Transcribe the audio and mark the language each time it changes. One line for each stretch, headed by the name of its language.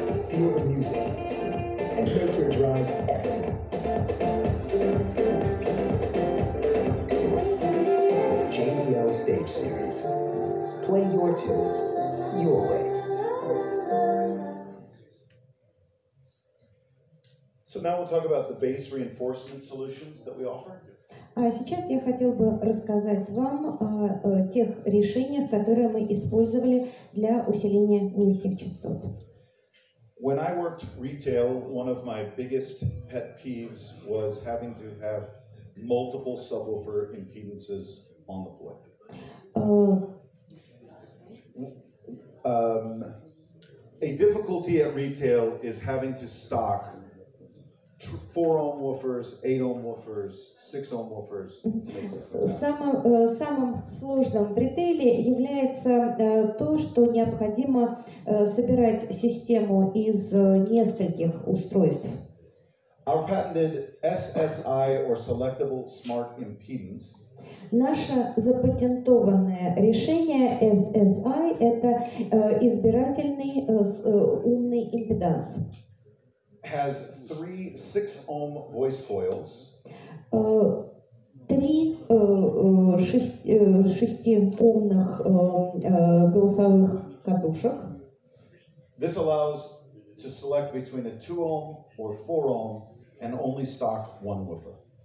English: Feel the music and make your drive epic. So now we'll talk about the base reinforcement solutions that we offer.
Russian: Сейчас я хотел бы рассказать вам о тех решениях, которые мы использовали для усиления низких частот.
English: When I worked retail, one of my biggest pet peeves was having to have multiple subwoofer impedances on the floor. A difficulty at retail is having to stock 4-ohm woofers, 8-ohm woofers, 6-ohm woofers.
Russian: Самым сложным в ритейле является то, что необходимо собирать систему из нескольких устройств.
English: Our patented SSI or selectable smart impedance.
Russian: Наше запатентованное решение SSI это избирательный умный импеданс.
English: Has 3 6-ohm voice coils.
Russian: Три шестиомных голосовых катушек.
English: This allows to select between a 2-ohm or 4-ohm and only stock one woofer.